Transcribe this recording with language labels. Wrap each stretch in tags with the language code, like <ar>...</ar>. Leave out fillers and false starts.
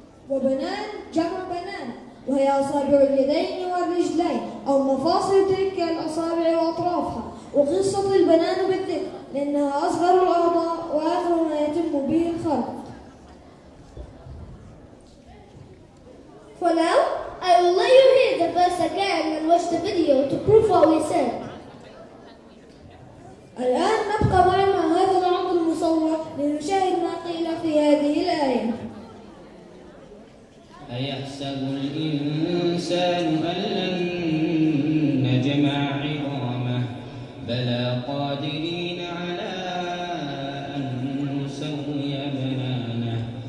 <ar>وبنان جمع بنان، وهي أصابع اليدين والرجلين أو مفاصل تلك الأصابع وأطرافها. وقصة البنان بالذكر لأنها أصغر الأعضاء وآخر ما يتم به الخلق.</ar> <en>For now, I will let you hear the verse again and watch the video to prove what we said.</en> <ar>الآن نبقى مع هذا العرض المصور لنشاهد ما قيل في هذه الآية. أيحسب الإنسان أن لن نجمع عظامه بلى قادرين على أن نسوي بنانه.</ar>